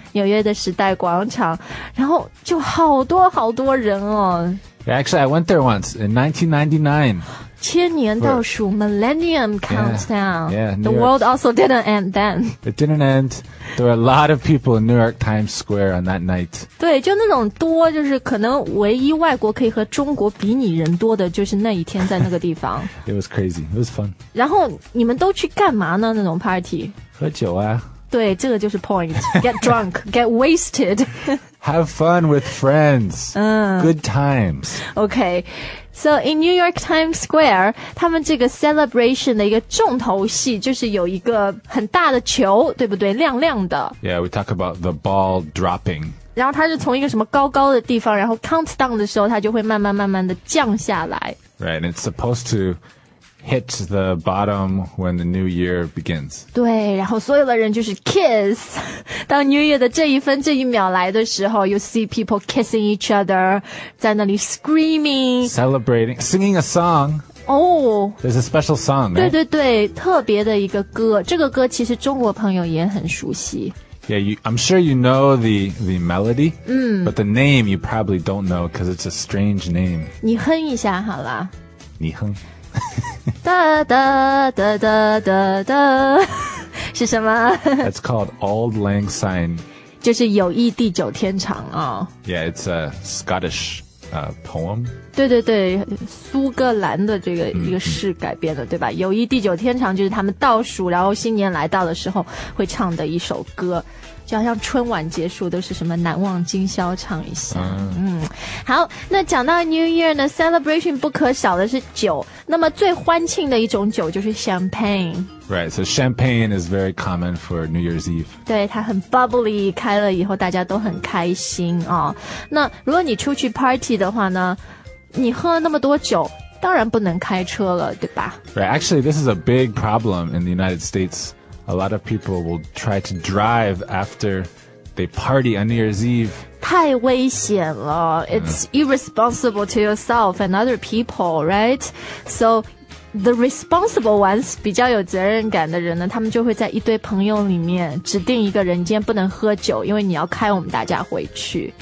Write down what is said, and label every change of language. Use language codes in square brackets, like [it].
[zh] 纽约的时代广场然后就好多好多人哦 [en] Actually, I went there once in 1999 [zh] 千年倒数 [en] Millennium countdown yeah, yeah, The world also didn't end then It didn't endThere were a lot of people in New York Times Square on that night. [zh] 对就那种多就是可能唯一外国可以和中国比拟人多的就是那一天在那个地方。 [en] It was crazy. It was fun. [zh] 然后你们都去干嘛呢那种 party? 喝酒啊。对这个就是 [en] point. Get drunk. Get wasted. Have fun with friends. Good times. Okay. So in New York Times Square, [zh] 他们这个 celebration 的一个重头戏就是有一个很大的球对不对亮亮的。 [en] Yeah, we talk about the ball dropping. [zh] 然后它是从一个什么高高的地方然后 countdown 的时候它就会慢慢慢慢的降下来。 [en] Right, and it's supposed to... hit the bottom when the new year begins. [zh] 对然后所有的人就是 kiss. 当 new year 的这一分这一秒来的时候 [en] you see people kissing each other, [zh] 在那里 screaming. [en] Celebrating, singing a song. Oh. There's a special song, right? [zh] 对对对特别的一个歌这个歌其实中国朋友也很熟悉。 [en] Yeah, I'm sure you know the melody, but the name you probably don't know because it's a strange name. [zh] 你哼一下好了。你哼。 da da da da da da 是什么 [en] That's called Auld Lang Syne [zh] 就是友谊地久天长、哦、 [en] Yeah, it's a Scottish poem [zh] 对对对苏格兰的这个一个诗改编的、mm-hmm. 对吧友谊地久天长就是他们倒数然后新年来到的时候会唱的一首歌就好像春晚结束都是什么难忘今宵唱一下。嗯，好，那讲到 New Year 呢， celebration 不可少的是酒，那么最欢庆的一种酒就是 champagne。 [en] Right, so champagne is very common for New Year's Eve. [zh] 对，它很 bubbly, 开了以后大家都很开心哦。那如果你出去 party 的话呢，你喝了那么多酒，当然不能开车了，对吧？ [en] Right, actually, this is a big problem in the United States. A lot of people will try to drive after they party on New Year's Eve. [zh] 太危险了。 [en] It's irresponsible to yourself and other people, right? So... The responsible ones, [zh] 比较有责任感的人呢，他们就会在一堆朋友里面指定一个人，今天不能喝酒，因为你要开我们大家回去。